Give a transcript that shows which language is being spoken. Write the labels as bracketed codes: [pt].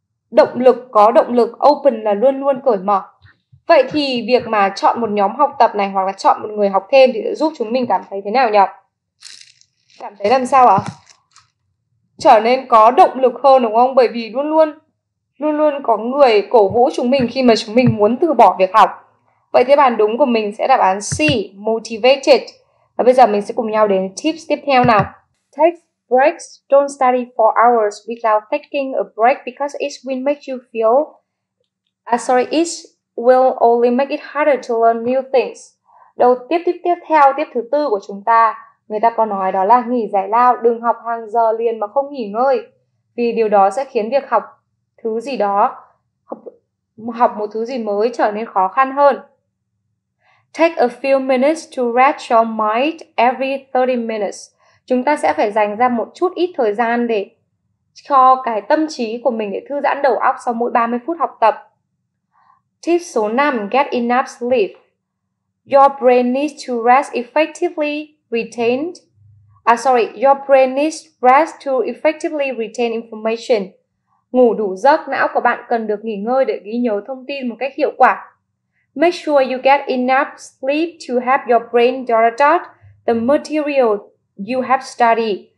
[vi] Động lực có động lực, open là luôn luôn cởi mở. Vậy thì việc mà chọn một nhóm học tập này hoặc là chọn một người học thêm thì giúp chúng mình cảm thấy thế nào nhỉ? Cảm thấy làm sao ạ? Trở nên có động lực hơn đúng không? Bởi vì luôn luôn, luôn luôn có người cổ vũ chúng mình khi mà chúng mình muốn từ bỏ việc học. Vậy thì bản đúng của mình sẽ đáp án C, motivated. Và bây giờ mình sẽ cùng nhau đến tips tiếp theo nào. [en] Take breaks, don't study for hours without taking a break because it will make you feel... it will only make it harder to learn new things. [vi] Đầu tiếp theo, tiếp thứ tư của chúng ta, người ta có nói đó là nghỉ giải lao, đừng học hàng giờ liền mà không nghỉ ngơi. Vì điều đó sẽ khiến việc học thứ gì đó, học một thứ gì mới trở nên khó khăn hơn. [en] Take a few minutes to rest your mind every 30 minutes. [vi] Chúng ta sẽ phải dành ra một chút ít thời gian để cho cái tâm trí của mình để thư giãn đầu óc sau mỗi 30 phút học tập. Tip số 5, [en] get enough sleep. Your brain needs to rest effectively retained. Your brain needs rest to effectively retain information. [vi] Ngủ đủ giấc, não của bạn cần được nghỉ ngơi để ghi nhớ thông tin một cách hiệu quả. [en] Make sure you get enough sleep to help your brain digest the material you have studied.